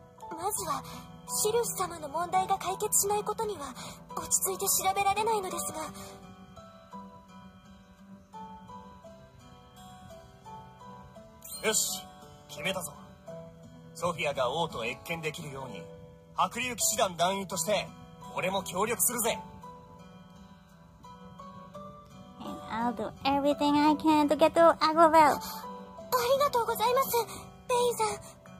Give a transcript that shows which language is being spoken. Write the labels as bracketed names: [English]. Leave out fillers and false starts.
[Japanese] まずはシルフ様の問題が解決しないことには落ち着いて調べられないのですが、よし、決めたぞ。ソフィアが王と謁見できるように白竜騎士団団員として俺も協力するぜ。 [English] And I'll do everything I can to get to Agrovel. [Japanese] ありがとうございます、ベインさん。